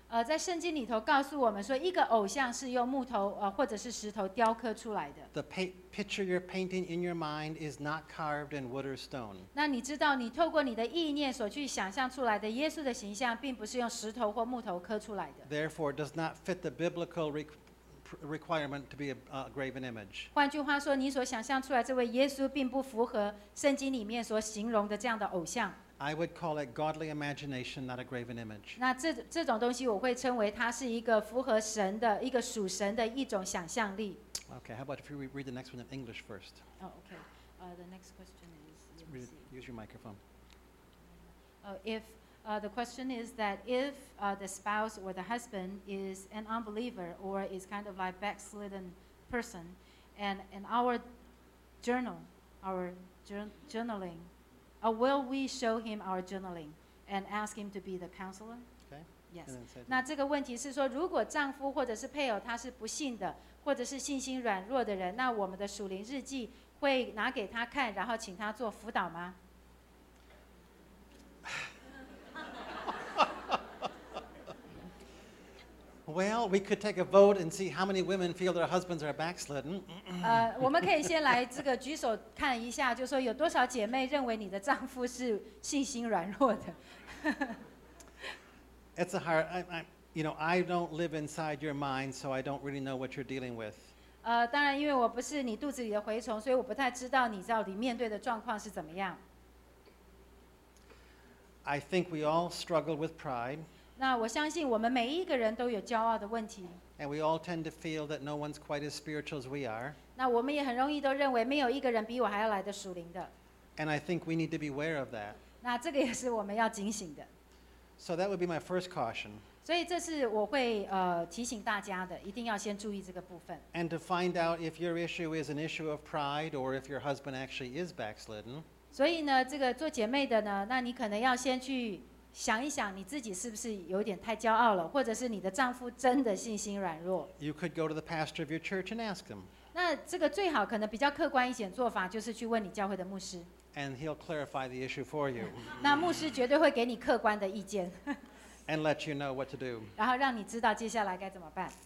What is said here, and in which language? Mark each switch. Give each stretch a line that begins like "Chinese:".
Chinese: 在圣经里头告诉我们说，一个偶像是用木头或者是石头雕刻出来的。
English: The picture you're painting in your mind is not carved in wood or stone.
Chinese: 那你知道，你透过你的意念所去想象出来的耶稣的形象，并不是用石头或木头刻出来的。
English: Therefore, does not fit the biblical requirement to be a graven image.
Chinese: 换句话说，你所想象出来这位耶稣，并不符合圣经里面所形容的这样的偶像。
English: I would call it godly imagination, not a graven image.
Chinese: 那这种东西我会称为它是一个符合神的一个属神的一种想象力。
English: Okay, how about if you read the next one in English first? Oh, okay. The next question is, use your microphone. The question is that if the spouse or the husband is an unbeliever or is kind of like backslidden person, and in our journaling, will we show him our journaling and ask him to be the counselor? Okay. Yes.
Chinese: 那这个问题是说，如果丈夫或者是配偶他是不信的，或者是信心软弱的人，那我们的属灵日记会拿给他看，然后请他做辅导吗？
English: Well, we could take a vote and see how many women feel their husbands are backslidden.
Chinese: 我们可以先来这个举手看一下，就说有多少姐妹认为你的丈夫是信心软弱的。
English: It's a hard, I don't live inside your mind, so I don't really know what you're dealing with.
Chinese: 当然，因为我不是你肚子里的蛔虫，所以我不太知道你到底面对的状况是怎么样。
English: I think we all struggle with pride.
Chinese: 那我相信我们每一个人都有骄傲的问题。
English: And we all tend to feel that no one's quite as spiritual as we are.
Chinese: 那我们也很容易都认为没有一个人比我还要来的属灵的。
English: And I think we need to be aware of that.
Chinese: 那这个也是我们要警醒的。
English: So that would be my first caution.
Chinese: 所以这是我会提醒大家的，一定要先注意这个部分。
English: And to find out if your issue is an issue of pride or if your husband actually is backslidden.
Chinese: 所以呢，这个做姐妹的呢，那你可能要先去想一想你自己是不是有点太骄傲了，或者是你的丈夫真的信心软弱。
English: You could go to the pastor of your church and ask him.
Chinese: 那这个最好可能比较客观一点做法就是去问你教会的牧师。
English: And he'll clarify the issue for you.
Chinese: 那牧师绝对会给你客观的意见。
English: And let you know what to do.
Chinese: 然后让你知道接下来该怎么办。